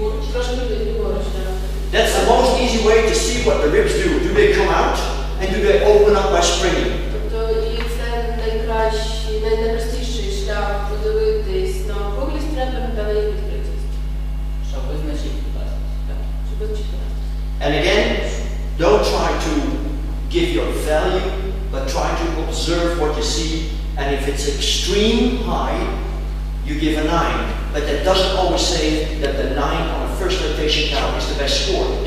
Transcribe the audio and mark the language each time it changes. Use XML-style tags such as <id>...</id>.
<en>That's the most easy way to see what the ribs do. Do they come out and do they open up by springing?</en> <uk>Тобто це найкращий, найпростіший шлях подивитись на округлість ребер та на їх відкритість. Щоб визначити власність.</uk> <en>And again, don't try to give your value, but try to observe what you see. And if it's extreme high, you give a 9. But that doesn't always say that the 9 on a first rotation cow is the best score.</en>